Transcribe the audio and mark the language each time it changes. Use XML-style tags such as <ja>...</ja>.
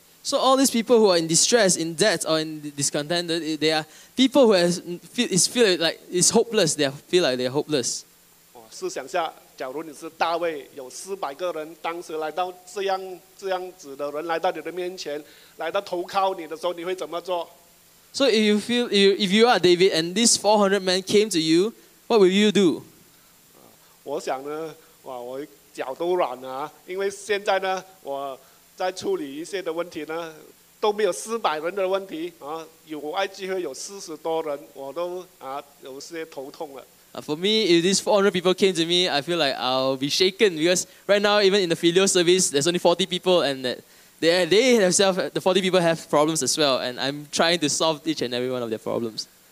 <en>So all these people who are in distress, in debt, or in discontented, they are people who feel like it's hopeless. They feel like they're hopeless.</en> <zh>试想下，假如你是大卫，有四百个人当时来到这样子的人面前，来到投靠你的时候，你会怎么做？</zh> <en>So if you are David, and these 400 men came to you, what will you do?</en> <zh>我想呢，哇，我脚都软了，因为现在呢，我。在处理一些的问题呢，都没有四百人的问题啊，有爱机会有40多人，我都有些头痛了。</zh> <en>For me, if these 400 people came to me, I feel like I'll be shaken because right now, even in the filial service, there's only 40 people, and the 40 people have problems as well, and I'm trying to solve each and every one of their problems.</en>